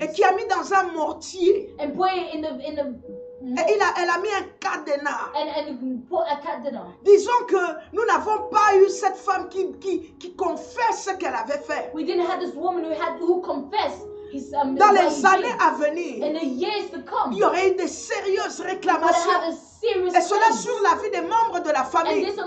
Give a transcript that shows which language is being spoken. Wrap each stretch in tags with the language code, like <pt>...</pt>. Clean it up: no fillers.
<fr>Et qui a mis dans un mortier.</fr> <en>And put it in the</en> <fr>et il a, elle a mis un cadenas.</fr> <en>And put a cadenas.</en> <fr>Disons que nous n'avons pas eu cette femme qui confesse ce qu'elle avait fait.</fr> <en>We didn't have this woman who confessed.</en> <fr>Dans les années à venir,</fr> <en>in the years to come,</en> <fr>il y aurait eu des sérieuses réclamations. Et cela sur la vie des membres de la famille.</fr>